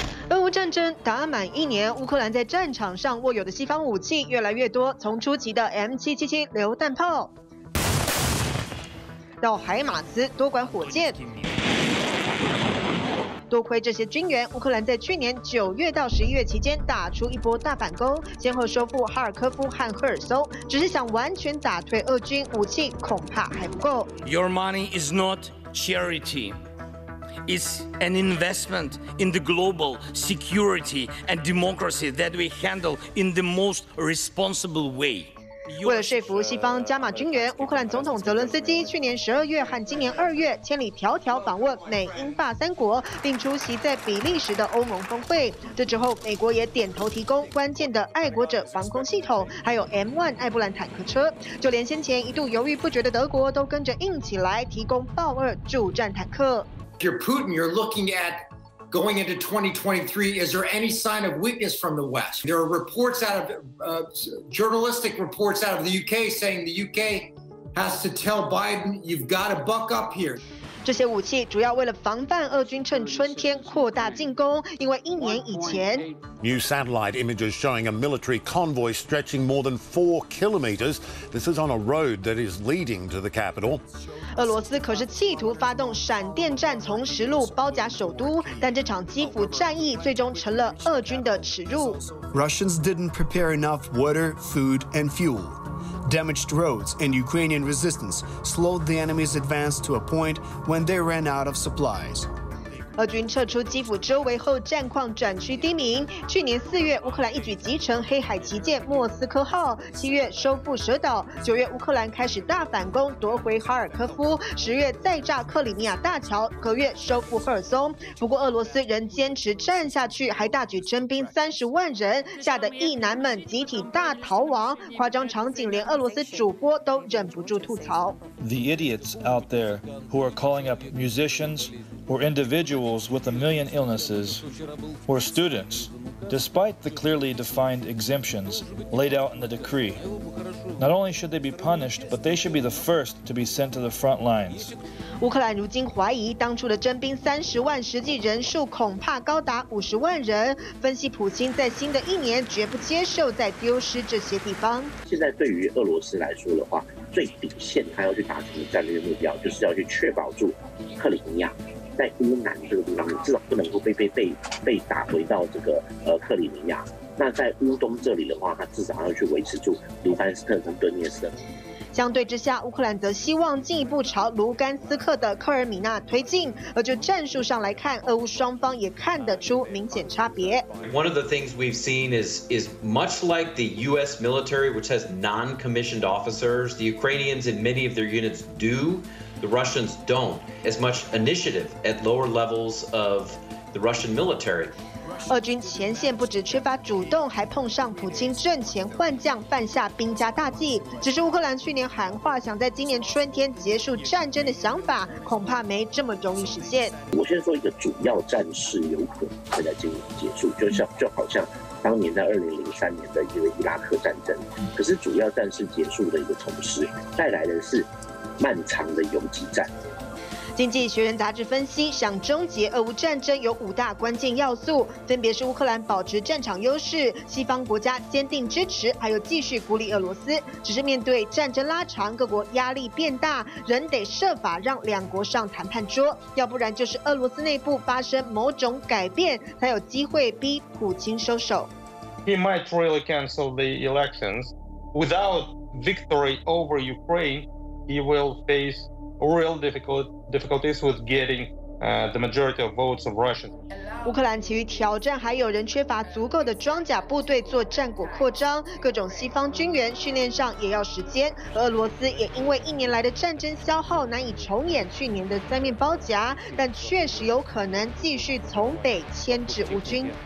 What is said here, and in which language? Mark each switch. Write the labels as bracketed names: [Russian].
[Chinese] 俄乌战争打满一年，乌克兰在战场上握有的西方武器越来越多，从初期的 M777榴弹炮，到海马斯多管火箭。多亏这些军援，乌克兰在去年9月到11月期间打出一波大反攻，先后收复哈尔科夫和赫尔松。只是想完全打退俄军，武器恐怕还不够。 [English] Your money is not charity. is an investment in the global security and democracy that we handle in the most responsible way. [Chinese] 为了说服西方加码军援，乌克兰总统泽伦斯基去年十二月和今年二月千里迢迢访问美英法三国，并出席在比利时的欧盟峰会。这之后，美国也点头提供关键的爱国者防空系统，还有 M1 艾布兰坦克车。就连先前一度犹豫不决的德国，都跟着硬起来提供豹二主战坦克。 [English] If you're Putin, you're looking at going into 2023. Is there any sign of weakness from the West? There are reports out of journalistic reports out of the UK saying the UK has to tell Biden, you've got to buck up here. [Chinese] 这些武器主要为了防范俄军趁春天扩大进攻，因为一年以前 [English] ，New satellite images showing a military convoy stretching more than 4 kilometers. This is on a road that is leading to the capital. [Chinese] 俄罗斯可是企图发动闪电战从实路包夹首都，但这场基辅战役最终成了俄军的耻辱。 [English] Russians didn't prepare enough water, food, and fuel. Damaged roads and Ukrainian resistance slowed the enemy's advance to a point when they ran out of supplies. [Chinese] 俄军撤出基辅周围后，战况转趋低迷。去年四月，乌克兰一举击沉黑海旗舰莫斯科号；七月收复蛇岛；九月，乌克兰开始大反攻，夺回哈尔科夫；十月再炸克里米亚大桥；隔月收复赫尔松。不过，俄罗斯仍坚持战下去，还大举征兵30万人，吓得意男们集体大逃亡。夸张场景，连俄罗斯主播都忍不住吐槽 [English] ：“The idiots out there who are calling up musicians.” Or individuals with a million illnesses, or students, despite the clearly defined exemptions laid out in the decree. Not only should they be punished, but they should be the first to be sent to the front lines. [Chinese] 乌克兰如今怀疑当初的征兵三十万，实际人数恐怕高达50万人。分析普京在新的一年绝不接受再丢失这些地方。现在对于俄罗斯来说的话，最底线他要去达成的战略目标，就是要去确保住克里米亚。在乌南这个地方，你至少不能够被打回到这个克里米亚。那在乌东这里的话，它至少要去维持住卢甘斯克跟顿涅斯克。相对之下，乌克兰则希望进一步朝卢甘斯克的科尔米纳推进。而就战术上来看，俄乌双方也看得出明显差别。 [English] One of the things we've seen is much like the U.S. military, which has non-commissioned officers, the Ukrainians in many of their units do. The Russians don't as much initiative at lower levels of the Russian military. [Chinese] 俄军前线不止缺乏主动，还碰上普京阵前换将，犯下兵家大忌。只是乌克兰去年喊话想在今年春天结束战争的想法，恐怕没这么容易实现。我先说一个主要战事有可能会在今年结束，就好像当年在2003年的一个伊拉克战争。可是主要战事结束的一个同时，带来的是。漫长的游击战。经济学人杂志分析，想终结俄乌战争有五大关键要素，分别是乌克兰保持战场优势、西方国家坚定支持，还有继续孤立俄罗斯。只是面对战争拉长，各国压力变大，仍得设法让两国上谈判桌，要不然就是俄罗斯内部发生某种改变，才有机会逼普京收手。 [English] He might really cancel the elections without victory over Ukraine. He will face real difficulties with getting the majority of votes of Russians. [Chinese] 乌克兰其余挑战还有人缺乏足够的装甲部队做战果扩张，各种西方军援训练上也要时间。俄罗斯也因为一年来的战争消耗难以重演去年的三面包夹，但确实有可能继续从北牵制乌军。